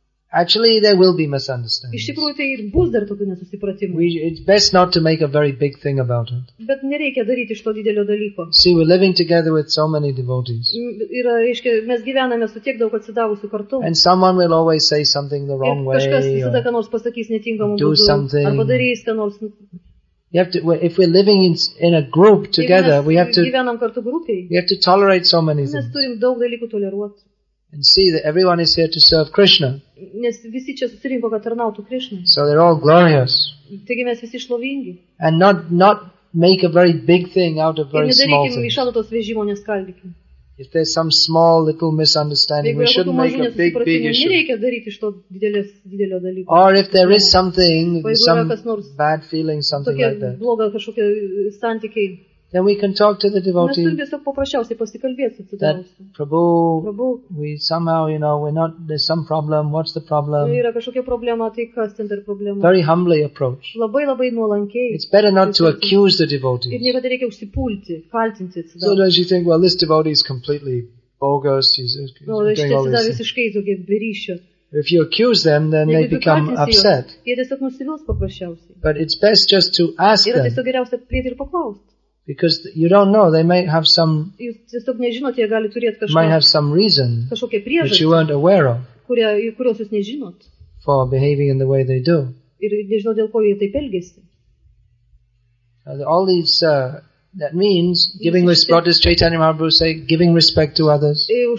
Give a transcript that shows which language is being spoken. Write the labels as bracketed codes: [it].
[en] actually there will be misunderstandings. [lt] Iš tikrųjų, tai ir bus dar tokių nesusipratimų. [en] It's best not to make a very big thing about it. [lt] Bet nereikia daryti iš to didelio dalyko. [en] See, we're living together with so many devotees. [lt] Ir, reiškia, mes gyvename su tiek daug atsidavusių kartu. [en] And someone will always say something the wrong way. [lt] Kažkas visada ką nors pasakys netinkamu būdu. [en] Do something. [lt] Arba darys ką nors. [en] You have to, if we're living in a group together, we have to tolerate so many things. [lt] Mes turim daug dalykų toleruoti. [en] And see that everyone is here to serve Krishna. [lt] Nes visi čia susirinko, kad tarnautų Krishna. [en] So they're all glorious. [lt] Taigi mes visi šlovingi. [en] And not make a very big thing out of very small things. [lt] Ir nedarykim iš to vežimo neskaldykim. [en] If there's some small little misunderstanding, [lt] jeigu [en] we shouldn't make a big issue. [lt] Nereikia daryti to didelio dalyko. [en] Or if there is something, some bad feeling, something like that. [lt] Bloga kažkokia santykiai. [en] Then we can talk to the devotee. [lt] Mes tiesiog paprasčiausiai pasikalbėti su devotee. [en] That Prabhu, we somehow, you know, we're not, there's some problem, what's the problem? [lt] Yra kažkokia problema, tai kas ten per problema? [en] Very humbly approach. [lt] Labai labai nuolankiai. [en] It's better not to accuse the devotee. [lt] Ir niekada reikia užsipulti, kaltinti. [en] So does you think, well, this devotee is completely bogus, he's doing all this. If you accuse them, then they become upset. [lt] Jie tiesiog nusivils paprasčiausiai. [en] But it's best just to ask them. [lt] Yra tiesiog geriausia prieiti ir paklausti. [en] Because you don't know, they might have some, might have some reason that you weren't aware of [lt] kurios jūs nežinot, [en] for behaving in the way they do. [lt] Ir nežinot, dėl ko jie taip elgiasi. [en] All these, that means giving respect to Chaitanya Mahaprabhu, say, giving respect to others.